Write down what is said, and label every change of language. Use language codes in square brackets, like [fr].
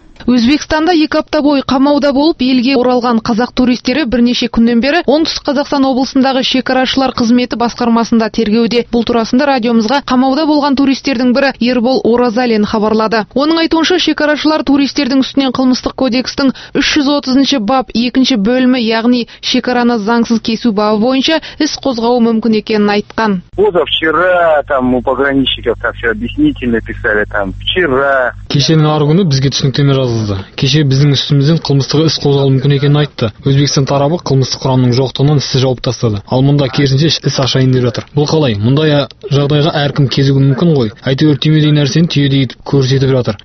[kk] Өзбекстанда 2 апта бойы қамауда болып, елге оралған қазақ туристері бірнеше күннен бері оңтүстік Қазақстан облысындағы шекарашылар қызметі басқармасында тергеуде. Бұл турасында радиомызға қамауда болған туристердің бірі Ербол Оразалин хабарлады. Оның айтуынша, шекарашылар туристердің үстінен қылмыстық кодекстің 330-ші бап 2-ші бөлімі, яғни шекараны заңсыз кесу бабы бойынша іс қозғауы мүмкін екенін айтқан. [ru] Позавчера там у пограничников там всё объяснительно писали там вчера. [kk] Кешенің арғы күні бізге түсініктеме жазылды. Кеше біздің үстімізден қылмыстық іс қозғалу мүмкін екенін айтты. Өзбекстан тарабы қылмыстық құрамның жоқтығынан істі жауып тастады. Ал мұнда керісінше іс ашайын деп жатыр. Бұл қалай? Мұндай жағдайға әркім кезігі мүмкін ғой. Әйтеуір түймедей нәрсені түйедей етіп көрсетіп жатыр.